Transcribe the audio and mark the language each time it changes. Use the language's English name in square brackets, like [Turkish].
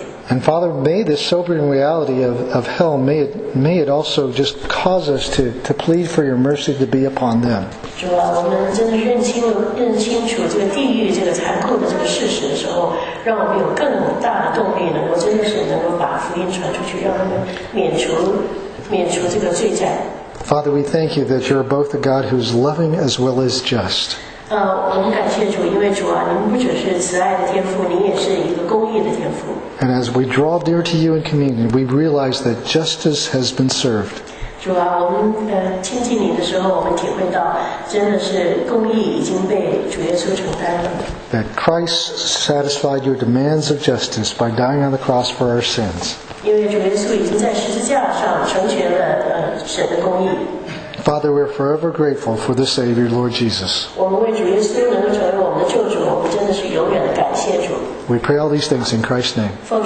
[English] And Father, may this sobering reality of hell, may it also just cause us to plead for your mercy to be upon them. [Chinese] 主啊，我们真的认清楚这个地狱这个残酷的这个事实的时候，让我们有更大的动力，能够真的是能够把福音传出去，让他们免除这个罪债。 [English] Father, we thank you that you're both a God who's loving as well as just. [Chinese] 我们感谢主，因为主啊，您不只是慈爱的天父，您也是一个公义的天父。 [English] And as we draw near to you in communion, we realize that justice has been served. [Chinese] 主啊，我们亲近你的时候，我们体会到真的是公义已经被主耶稣承担了。 [English] That Christ satisfied your demands of justice by dying on the cross for our sins. [Chinese] 因为主耶稣已经在十字架上成全了神的公义。 [English] Father, we are forever grateful for the Savior, Lord Jesus. We pray all these things in Christ's name.